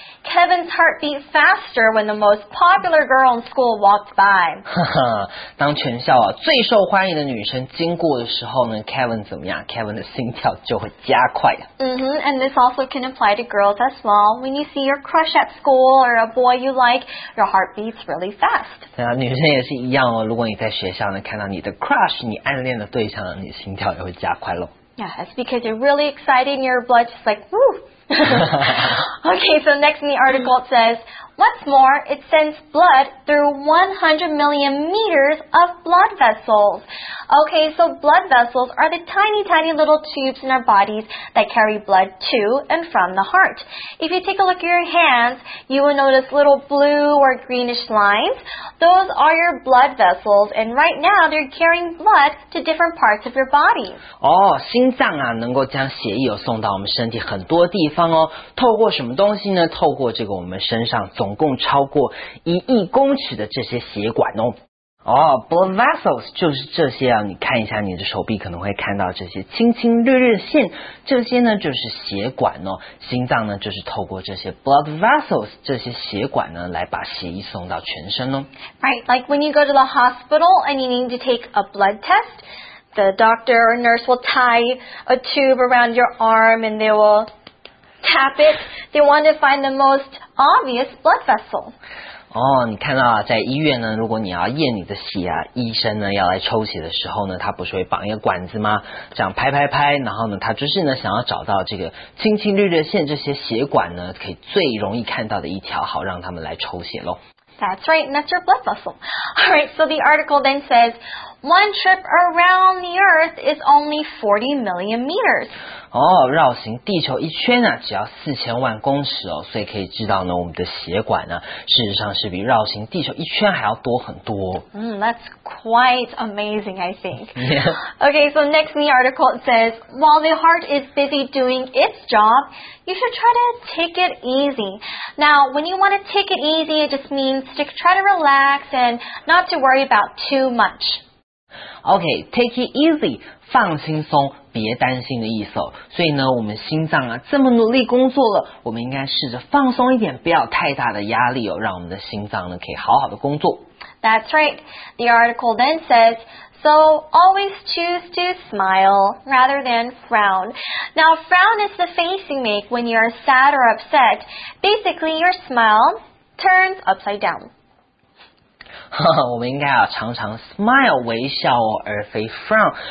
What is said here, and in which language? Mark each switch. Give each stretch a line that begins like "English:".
English: Kevin's heart beat faster when the most popular girl in school walked by.
Chinese: 当全校啊最受欢迎的女生经过的时候呢 ，Kevin 怎么样 ？Kevin 的心跳就会加快呀。
English: And this also can apply to girls as well. When you see your crush at school or a boy you like, your heart beats really fast.
Chinese: 对啊，女生也是一样哦。如果你在学校呢看到你的 crush， 你暗恋的对象，你心跳也会加快喽。
English: Yeah, it's because you're really excited and your blood just like, woo! Okay, so next in the article it says, what's more, it sends blood through 100 million meters of blood vessels. Okay, so blood vessels are the tiny, tiny little tubes in our bodies that carry blood to and from the heart. If you take a look at your hands, you will notice little blue or greenish lines. Those are your blood vessels, and right now they're carrying blood to different parts of your body.
Chinese: 哦，心脏啊，能够将血液送到我们身体很多地方哦。透过什么东西呢？透过这个我们身上总共超过1亿公尺的这些血管哦。哦、oh, ，blood vessels 就是这些啊，你看一下你的手臂，可能会看到这些青青绿绿的线，这些呢就是血管哦。心脏呢就是透过这些 blood vessels 这些血管呢，来把血液送到全身哦。
English: Right, like when you go to the hospital and you need to take a blood test, the doctor or nurse will tie a tube around your arm and they will tap it. They want to find the most obvious blood vessel.
Chinese: 哦，你看到啊，在医院呢，如果你要验你的血啊，医生呢要来抽血的时候呢，他不是会绑一个管子吗？这样拍拍拍，然后呢，他就是呢想要找到这个青青绿绿线这些血管呢，可以最容易看到的一条，好让他们来抽血咯。
English: That's right, and that's your blood vessel. All right, so the article then says, one trip around the Earth is only 40 million meters.
Chinese: 哦，绕行地球一圈啊，只要4000万公尺哦，所以可以知道呢，我们的血管呢，事实上是比绕行地球一圈还要多很多。
English: That's quite amazing, I think. Yeah. Okay, so next in the article, it says, while the heart is busy doing its job, you should try to take it easy. Now, when you want to take it easy, it just means to try to relax and not to worry about too much.
Chinese: Okay,
English: take it easy,
Chinese: 放轻松，别担心的意思哦。所以呢，我们心脏啊，这么努力工作了，我们应该试着放松一点，不要太大的压力哦，让我们的心脏呢，可以好好的工作。
English: That's right. The article then says, so always choose to smile rather than frown. Now, frown is the face you make when you are sad or upset. Basically, your smile turns upside down.
Chinese: 我们应该要常常 smile 微笑哦，而非 frown。